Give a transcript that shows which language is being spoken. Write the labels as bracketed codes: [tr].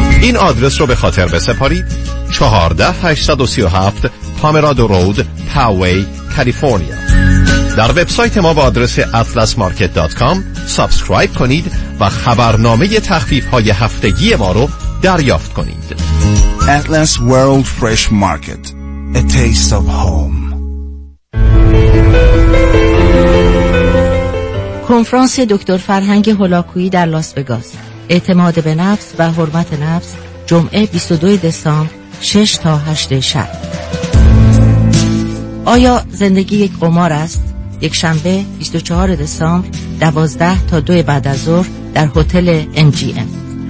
[fa] این آدرس رو به خاطر بسپارید: 14837 پامرادو رود، پاوی، کالیفرنیا. در وبسایت ما با آدرس atlasmarket.com سابسکرایب کنید و خبرنامه تخفیف‌های هفتگی ما رو دریافت کنید. [en] Atlas World Fresh Market, a taste of home. [fa] کنفرانس دکتر فرهنگ هولاکویی در لاس وگاس. اعتماد به نفس و حرمت نفس، جمعه 22 دسامبر 6 تا 8 شب. آیا زندگی یک قمار است؟ یک شنبه 24 دسامبر 12 تا 2 بعد از ظهر در هتل MGM.